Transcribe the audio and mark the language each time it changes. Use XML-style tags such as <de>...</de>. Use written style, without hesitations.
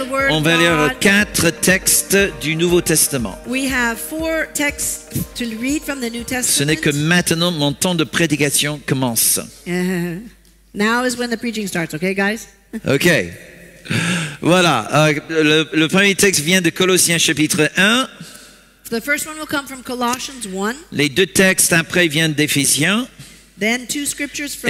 <fr>On va lire quatre textes du Nouveau Testament.</fr> <en>We have four texts to read from the New Testament.</en> <fr>Ce n'est que maintenant mon temps de prédication commence.</fr> <en>Now is when the preaching starts, okay, guys?</en> <fr>Okay. Voilà. Le premier texte vient de Colossiens chapitre 1.</fr> <en>The first one will come from Colossians 1.</en> <fr>Les deux textes après viennent d'Éphésiens.</fr> <en>Then two scriptures from</en>